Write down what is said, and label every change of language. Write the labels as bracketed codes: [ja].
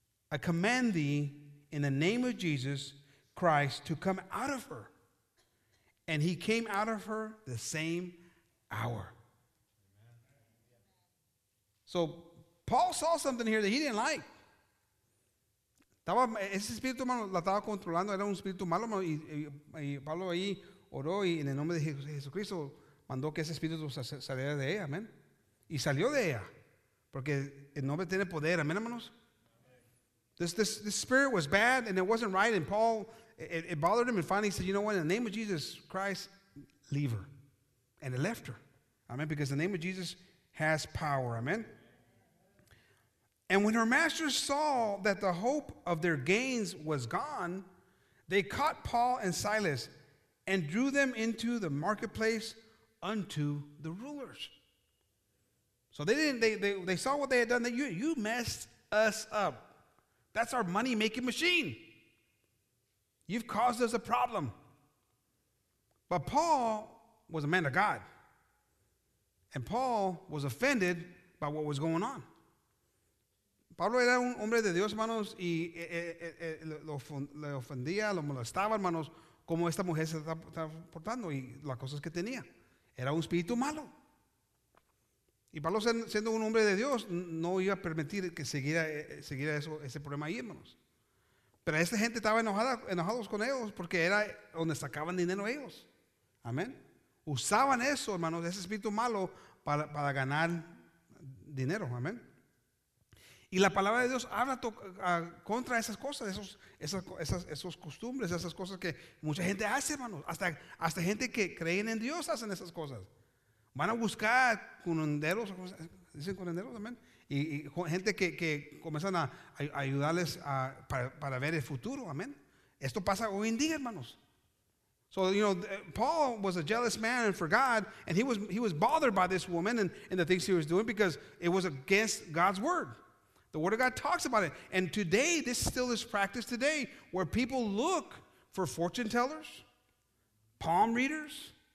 [en] I command thee in the name of Jesus Christ to come out of her. And he came out of her the same hour. So Paul saw something here that he didn't like. [es] Estaba ese espíritu malo, la estaba controlando, era un espíritu malo, y Pablo ahí oró y en el nombre de Jesucristo mandó que ese espíritu saliera de ella, amén. Y salió de ella, porque el nombre tiene poder, amén, hermanos. [en] This spirit was bad and it wasn't right, and Paul, it bothered him, and finally he said, you know what, in the name of Jesus Christ, leave her. And it left her, amén, because the name of Jesus has power, amén. And when her masters saw that the hope of their gains was gone, they caught Paul and Silas and drew them into the marketplace unto the rulers. So they didn't. They saw what they had done. That you messed us up. That's our money-making machine. You've caused us a problem. But Paul was a man of God. And Paul was offended by what was going on. [es] Pablo era un hombre de Dios, hermanos, y le ofendía, lo molestaba, hermanos, cómo esta mujer se estaba portando y las cosas que tenía. Era un espíritu malo. Y Pablo, siendo un hombre de Dios, no iba a permitir que siguiera eso, ese problema ahí, hermanos. Pero esta gente estaba enojados con ellos porque era donde sacaban dinero ellos. Amén. Usaban eso, hermanos, ese espíritu malo para ganar dinero. Amén. Y la palabra de Dios habla contra esas cosas, esos costumbres, esas cosas que mucha gente hace, hermanos. Hasta gente que creen en Dios hacen esas cosas. Van a buscar curanderos, dicen curanderos, amén. Y gente que comienzan a ayudarles para ver el futuro, amén. Esto pasa hoy en día, hermanos. [en] So, you know, Paul was a jealous man for God, and he was bothered by this woman and the things he was doing because it was against God's word. The word of God talks about it. And today, this still is practiced today, where people look for fortune tellers, palm readers.